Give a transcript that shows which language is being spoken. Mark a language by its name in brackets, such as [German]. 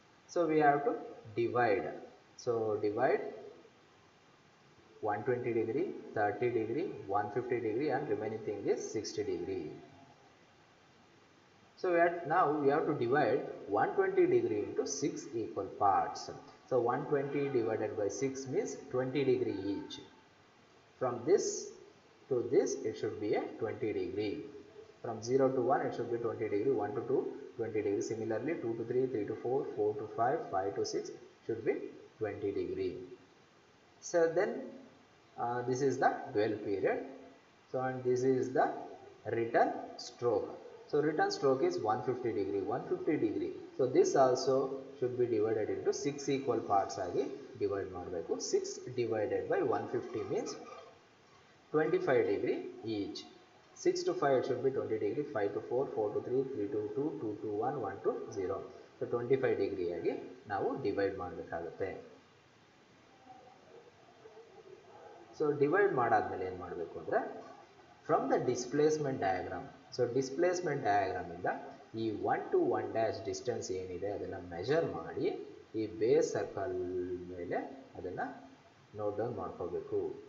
[English] So we have to divide. So divide 120 degree, 30 degree, 150 degree and remaining thing is 60 degree. So ನಾವು we have to divide 120 degree into six equal parts. So 120 divided by 6 means 20 degree each. From this to this it should be a 20 degree. From 0 to 1 it should be 20 degree, 1 to 2 20 degree, similarly 2 to 3, 3 to 4, 4 to 5, 5 to 6 should be 20 degree. So then this is the dwell period. So and this is the return stroke. So return stroke is 150 degree, 150 degree. So this also should be divided into six equal parts [Kannada] ಆಗಿ divide ಮಾಡಬೇಕು. [English] Six divided by 150 means 25 degree each. 6 to 5 it should be 20 degree, 5 to 4, 4 to 3, 3 to 2, 2 to 1, 1 to 0. [Kannada] So 25 degree ಆಗಿ ನಾವು divide ಮಾಡಬೇಕಾಗುತ್ತೆ. So divide ಮಾಡಾದಮೇಲೆ ಏನು ಮಾಡಬೇಕು ಅಂದರೆ [English] From the displacement diagram. [Kannada] So displacement ಡಯಾಗ್ರಾಮಿಂದ ಈ 1 to 1 ಡಿಸ್ಟೆನ್ಸ್ ಏನಿದೆ ಅದನ್ನು ಮೆಷರ್ ಮಾಡಿ ಈ ಬೇಸ್ ಸರ್ಕಲ್ ಮೇಲೆ ಅದನ್ನು ನೋಟ್ ಡೌನ್ ಮಾಡ್ಕೋಬೇಕು.